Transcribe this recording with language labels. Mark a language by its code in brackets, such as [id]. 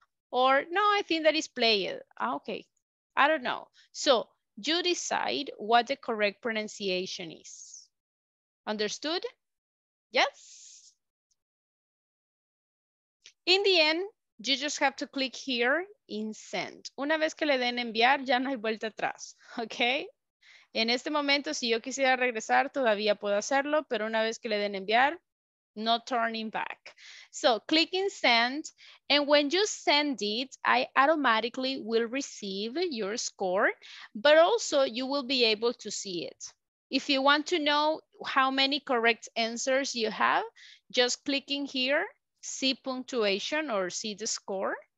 [en] Or no, I think that is played. Okay, I don't know. So you decide what the correct pronunciation is. Understood? Yes. In the end, you just have to click here in send. [es] Una vez que le den enviar, ya no hay vuelta atrás, okay? En este momento, si yo quisiera regresar, todavía puedo hacerlo, pero una vez que le den enviar, [en] no turning back. So click in send, and when you send it, I automatically will receive your score, but also you will be able to see it. If you want to know how many correct answers you have, just click in here, see punctuation or see the score.